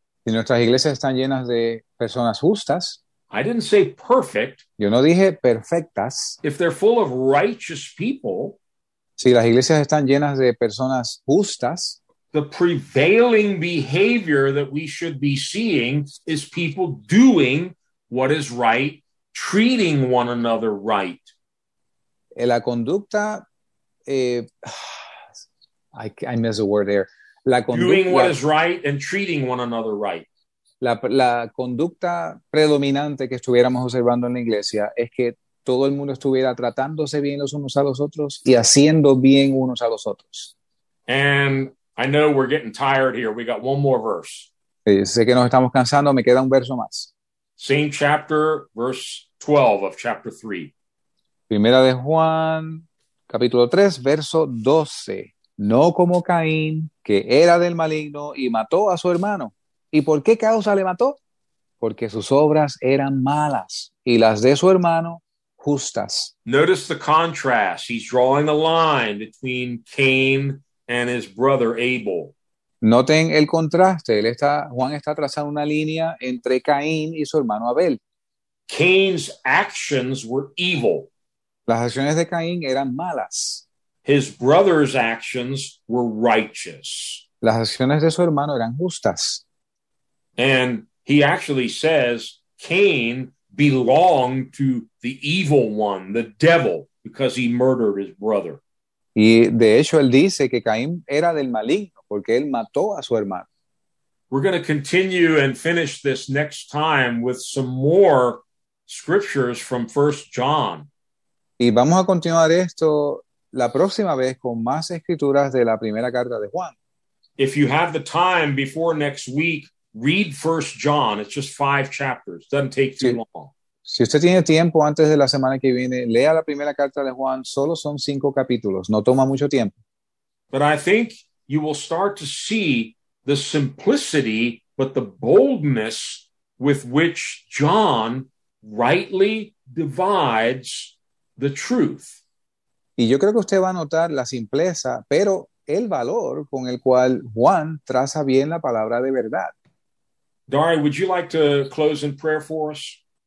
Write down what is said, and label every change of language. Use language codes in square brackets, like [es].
[es] si nuestras iglesias están llenas de personas justas, [en] I didn't say perfect. [es] Yo no dije perfectas. [en] If they're full of righteous people, [es] si las iglesias están llenas de personas justas, [en] the prevailing behavior that we should be seeing is people doing what is right, treating one another right. [es] La conducta, [en] I missed a word there. Doing what is right and treating one another right. [es] La conducta predominante que estuviéramos observando en la iglesia es que todo el mundo estuviera tratándose bien los unos a los otros y haciendo bien unos a los otros. [en] And I know we're getting tired here. We got one more verse. [es] Sé que nos estamos cansando, me queda un verso más. [en] Same chapter, verse 12 of chapter 3. [es] Primera de Juan, capítulo 3, verso 12. No como Caín, que era del maligno y mató a su hermano. ¿Y por qué causa le mató? Porque sus obras eran malas y las de su hermano justas. [en] Notice the contrast. He's drawing a line between Cain and his brother Abel. [es] Noten el contraste. Juan está trazando una línea entre Caín y su hermano Abel. [en] Cain's actions were evil. [es] Las acciones de Caín eran malas. [en] His brother's actions were righteous. [es] Las acciones de su hermano eran justas. [en] And he actually says Cain belonged to the evil one, the devil, because he murdered his brother. [es] Y de hecho él dice que Caín era del maligno porque él mató a su hermano. [en] We're going to continue and finish this next time with some more scriptures from 1 John. [es] Y vamos a continuar esto la próxima vez con más escrituras de la primera carta de Juan. [en] If you have the time before next week, read 1 John. It's just 5 chapters. Doesn't take too long. [es] Si usted tiene tiempo antes de la semana que viene, lea la primera carta de Juan. Solo son 5 capítulos. No toma mucho tiempo. [en] But I think you will start to see the simplicity, but the boldness with which John rightly divides the truth. [es] Y yo creo que usted va a notar la simpleza, pero el valor con el cual Juan traza bien la palabra de verdad. [en] Dari, would you like to close in prayer for us?